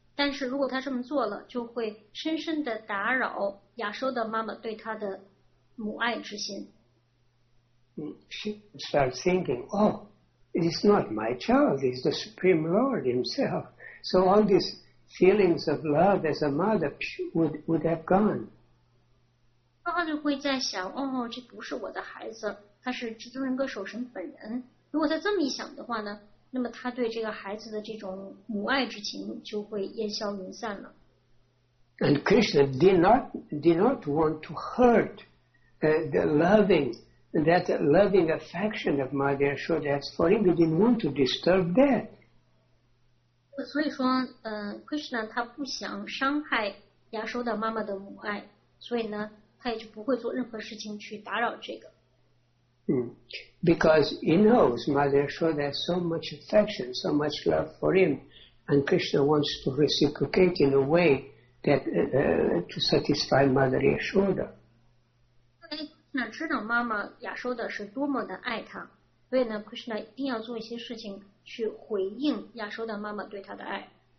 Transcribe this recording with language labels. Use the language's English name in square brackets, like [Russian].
[Chinese] 但是如果他这么做了，就会深深的打扰亚修的妈妈对他的母爱之心。 [English] She starts thinking, "Oh, it's not my child; it's the Supreme Lord Himself." So all these feelings of love as a mother would have gone. [Chinese] 妈妈就会在想，哦，这不是我的孩子，他是至尊人格守神本人。如果他这么一想的话呢？那么他对这个孩子的这种母爱之情就会烟消云散了。 [English] And Krishna did not want to hurt the loving affection of Mother Yashoda for him. He didn't want to disturb that. [Chinese] 所以说，Krishna 他不想伤害亚修的妈妈的母爱，所以呢，他也就不会做任何事情去打扰这个。 [English] Because he knows Mother Yashoda has so much affection, so much love for him, and Krishna wants to reciprocate in a way that to satisfy Mother Yashoda. [Chinese] 那知道妈妈亚修达是多么的爱他, 所以呢, Krishna 一定要做一些事情去回应亚修达妈妈对他的爱。